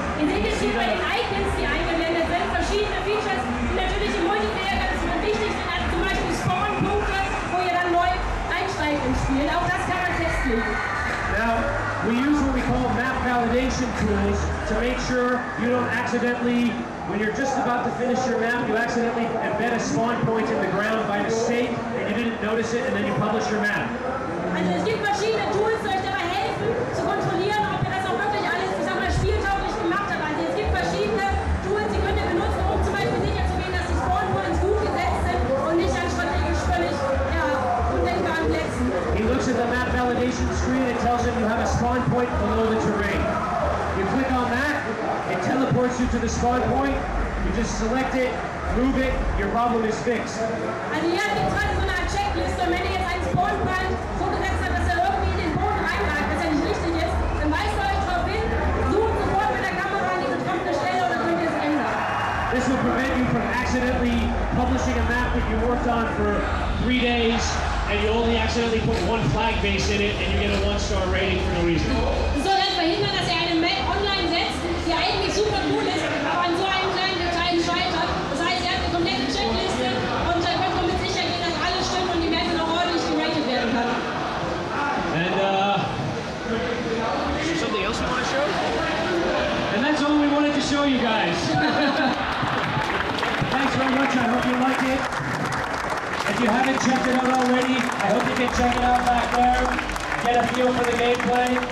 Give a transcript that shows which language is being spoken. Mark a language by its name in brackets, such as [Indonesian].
[English] In the icons, [German] die eingeblendet sind, verschiedene Features, die natürlich im Multiplayer ganz wichtig sind, zum Beispiel Spawnpunkte, wo ihr dann neu einsteigt im Spiel. Auch das kann man festlegen. [English] Now, we use what we call map validation tools to make sure you don't accidentally, when you're just about to finish your map, you accidentally embed a spawn point in the ground by mistake and you didn't notice it and then you publish your map. [German] Also es gibt verschiedene Tools, die euch dabei helfen, zu kontrollieren, ob ihr das auch wirklich alles, ich sag mal, spieltauglich gemacht habt. Also es gibt verschiedene Tools, die könnt ihr benutzen, um zum Beispiel sicherzugehen, dass die Spawn Points gut gesetzt sind und nicht an strategisch völlig undenkbaren Plätzen. [English] He looks at the map validation screen and tells him you have a spawn point below the terrain. You click on that, it teleports you to the spawn point, you just select it, move it, your problem is fixed. [German] Also hier gibt es gerade so eine Art Checklist, und wenn ihr jetzt einen Spawn Point so gesetzt habt, dass er irgendwie in den Boden reinragt, was ja nicht richtig ist, dann weist ihr euch darauf hin, sucht sofort mit der Kamera an die betroffene Stelle oder könnt ihr es ändern. [English] This will prevent you from accidentally publishing a map that you worked on for 3 days, and you only accidentally put 1 flag base in it, and you get a 1-star rating for no reason. [German] So das verhindert, dass ihr eine Map online setzt, die eigentlich super cool ist, aber an so einem kleinen Detail scheitert. Das heißt, ihr habt eine komplette Checkliste und dann könnt ihr mit sicher gehen, dass alles stimmt und die Map dann auch ordentlich gerated werden kann. [English] And is there something else you want to show? And that's all we wanted to show you guys. Thanks very much, I hope you like it. If you haven't checked it out already, I hope you can check it out back there, get a feel for the gameplay.